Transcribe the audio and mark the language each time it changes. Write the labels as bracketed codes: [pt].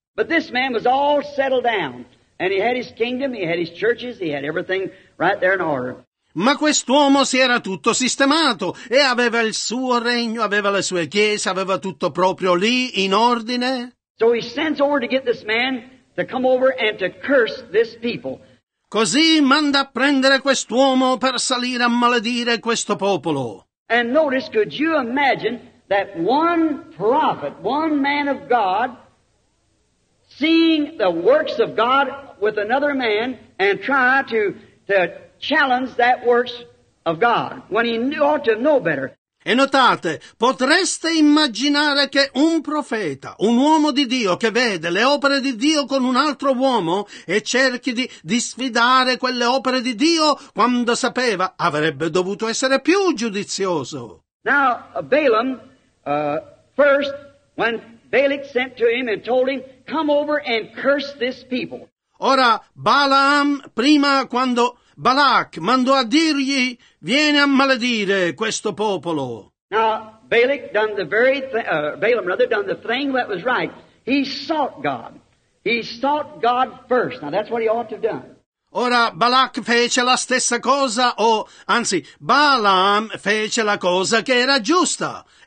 [en] But this man was all settled down, and he had his kingdom, he had his churches, he had everything right there in order. [it] Ma quest'uomo si era tutto sistemato e aveva il suo regno, aveva le sue chiese, aveva tutto proprio lì in ordine. [en] So he sends over to get this man to come over and to curse this people. [it] Così manda a prendere quest'uomo per salire a maledire questo popolo. [en] And notice, could you imagine that one prophet, one man of God, seeing the works of God with another man and try to challenge that works of God when he knew, ought to know better? [it] E notate, potreste immaginare che un profeta, un uomo di Dio che vede le opere di Dio con un altro uomo e cerchi di sfidare quelle opere di Dio quando sapeva avrebbe dovuto essere più giudizioso. [en] Now, Balaam, first, when Balak sent to him and told him, come over and curse this people. [it] Ora, Balaam, prima quando... Balak mandò a dirgli, vieni a maledire questo popolo. [en] Now, Balak done the very Balaam rather done the thing that was right. He sought God. He sought God first. Now that's what he ought to have done. [it] Ora Balak fece la stessa cosa, o anzi, Balaam fece la cosa che era giusta.